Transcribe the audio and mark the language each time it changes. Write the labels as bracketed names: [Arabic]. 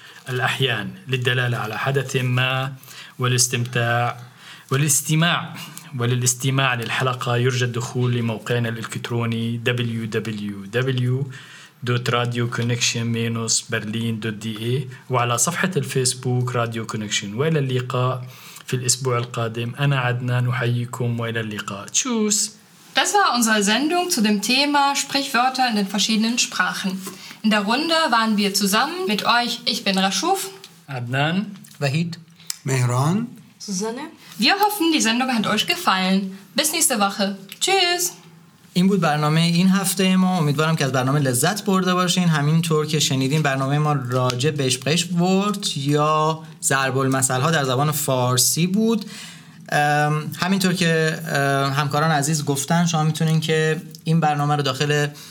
[Arabic] الأحيان للدلالة على حدث ما والاستمتاع والاستماع وللاستماع للحلقة يرجى الدخول لموقعنا الإلكتروني www.radioconnection-berlin.de وعلى صفحة الفيسبوك راديو كونكشن وإلى اللقاء في الأسبوع القادم أنا عدنان أحييكم وإلى اللقاء تشوس [German] Das war unsere Sendung zu dem Thema Sprichwörter in den verschiedenen Sprachen. In der Runde waren wir zusammen mit euch. Ich bin Rashouf, Adnan, Wahid, Mehran, Susanne. Wir hoffen, die Sendung hat euch gefallen. Bis nächste Woche. Tschüss. [Persian] این بود برنامه این هفته ما. امیدوارم که از برنامه لذت برده باشین. همینطور که شنیدین برنامه ما راجع به اشپش ورد یا ضرب المثل ها در زبان فارسی بود. همینطور که همکاران عزیز گفتن شما میتونین که این برنامه رو داخل